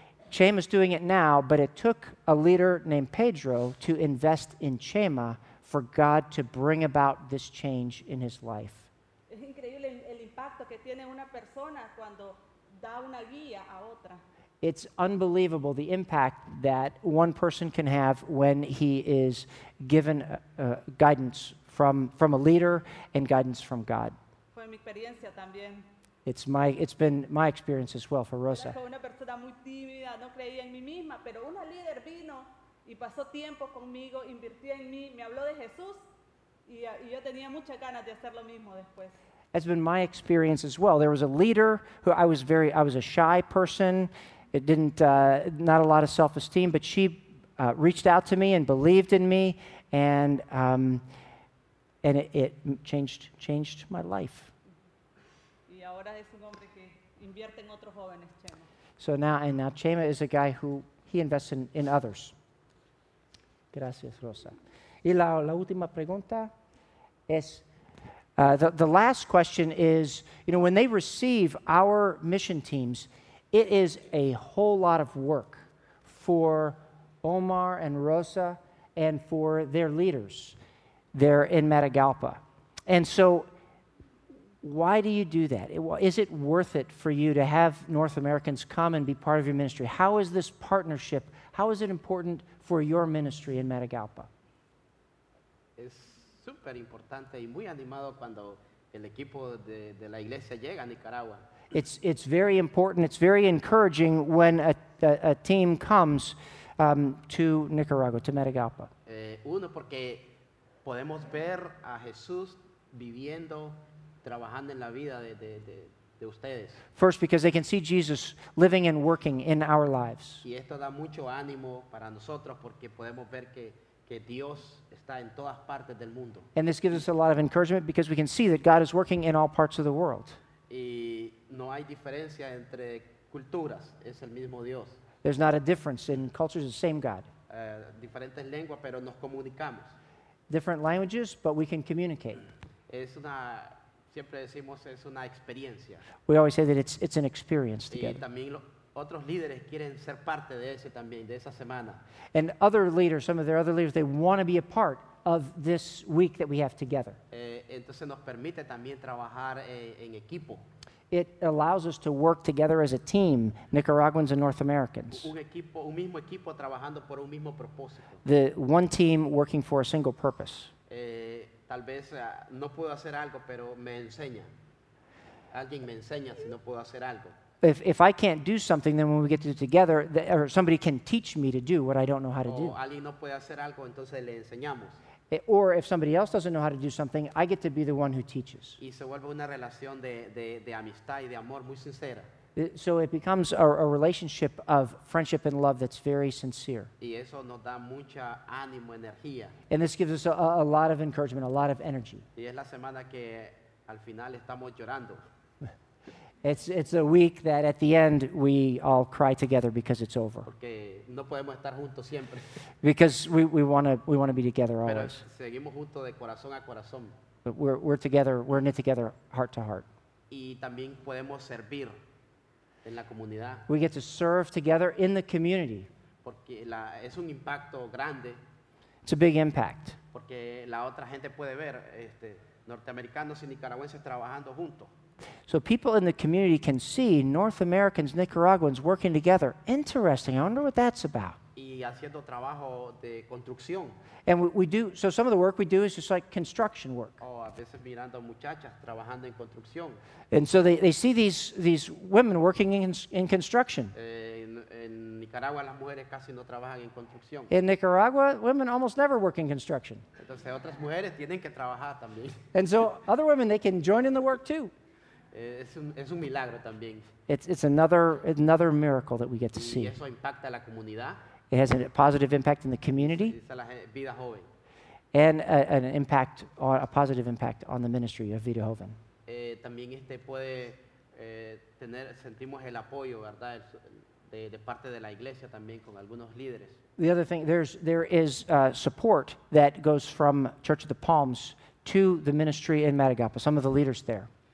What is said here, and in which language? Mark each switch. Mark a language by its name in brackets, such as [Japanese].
[English] Chema's doing it now, but it took a leader named Pedro to invest in Chema for God to bring about this change in his life. [Spanish] Es increíble el impacto que tiene una persona cuando da una guía a otra. [English] It's unbelievable the impact that one person can have when he is given guidance from a leader and guidance from God. [Spanish] Fue mi experiencia también. [English] It's been my experience as well for Rosa. [Spanish] Era una persona muy tímida, no creía en mí misma, pero una líder vino y pasó tiempo conmigo, invirtió en mí, me habló de Jesús y yo tenía muchas ganas de hacer lo mismo después. [English] Has been my experience as well. There was a leader who I was a shy person. It didn't, not a lot of self-esteem, but she reached out to me and believed in me, and it changed my life. [Spanish] Y ahora es un hombre que invierte en otros jóvenes, Chema. [English] So now Chema is a guy who he invests in others. Gracias, Rosa. [Spanish] Y la última pregunta es, [English] the last question is, you know, when they receive our mission teams, it is a whole lot of work for Omar and Rosa and for their leaders there in Matagalpa. And so why do you do that? Is it worth it for you to have North Americans come and be part of your ministry? How is this partnership, how is it important for your ministry in Matagalpa? It's super [Spanish] importante y muy animado cuando el equipo de la iglesia llega a Nicaragua. [English] It's very important, it's very encouraging when a team comes to Nicaragua, to Matagalpa. [Spanish] Uno, porque podemos ver a Jesús viviendo, trabajando en la vida de ustedes. [English] First, because they can see Jesus living and working in our lives. [Spanish] Y esto da mucho ánimo para nosotros porque podemos ver que Dios está en todas partes del mundo. [English] And this gives us a lot of encouragement because we can see that God is working in all parts of the world. [Spanish] Y no hay diferencia entre culturas, es el mismo Dios. [English] There's not a difference in cultures, it's the same God. [Spanish] Diferentes lenguas, pero nos comunicamos. [English] Different languages, but we can communicate. [Spanish] Es una, siempre decimos, es una experiencia. [English] We always say that it's an experience together. [Spanish] Y también otros líderes quieren ser parte de ese también, de esa semana. [English] And other leaders, some of their other leaders, they want to be a part of this week that we have together. [Spanish] Entonces nos permite también trabajar en equipo. [English] It allows us to work together as a team, Nicaraguans and North Americans. [Spanish] Un mismo equipo trabajando por un mismo propósito. [English] The one team working for a single purpose. [Spanish] Tal vez no puedo hacer algo, pero me enseña. Alguien me enseña si no puedo hacer algo. [English] If I can't do something, then when we get to do it together, or somebody can teach me to do what I don't know how to do. [Spanish] Alguien no puede hacer algo, entonces le enseñamos. [English] Or if somebody else doesn't know how to do something, I get to be the one who teaches. [Spanish] Y se vuelve una relación de amistad y de amor muy sincera. [English] So it becomes a relationship of friendship and love that's very sincere. [Spanish] Y eso nos da mucha ánimo, energía. [English] And this gives us a lot of encouragement, a lot of energy. [Spanish] Y es la semana que al final estamos llorando. [English] It's a week that at the end we all cry together because it's over. [Spanish] Porque no podemos estar juntos siempre. [English] Because we want to be together always. [Spanish] Pero seguimos junto de corazón a corazón. [English] But we're together, we're knit together heart to heart. [Spanish] Y también podemos servir en la comunidad. [English] We get to serve together in the community. [Spanish] Porque la, es un impacto grande. [English] It's a big impact. [Spanish] Porque la otra gente puede ver norteamericanos y nicaragüenses trabajando juntos. [English] So people in the community can see North Americans, Nicaraguans working together. Interesting. I wonder what that's about. [Spanish] Y haciendo trabajo de construcción. [English] And we do, so some of the work we do is just like construction work. [Spanish] Oh, a veces mirando muchachas trabajando en construcción. [English] And so they see these women working in construction. [Spanish] En Nicaragua las mujeres casi no trabajan en construcción. [English] In Nicaragua, women almost never work in construction. [Spanish] Entonces otras mujeres tienen que trabajar también. [English] And so other women, they can join in the work too. [Spanish] Es un milagro también. [English] It's another miracle that we get to see. [Spanish] Y eso impacta la comunidad. [English] It has a positive impact in the community. [Spanish] Es la vida joven. [English] And a positive impact on the ministry of Vida Joven. [Spanish] También puede tener, sentimos el apoyo, ¿verdad? De parte de la iglesia también con algunos líderes. [English] The other thing, there is support that goes from Church of the Palms to the ministry in Matagalpa, some of the leaders there.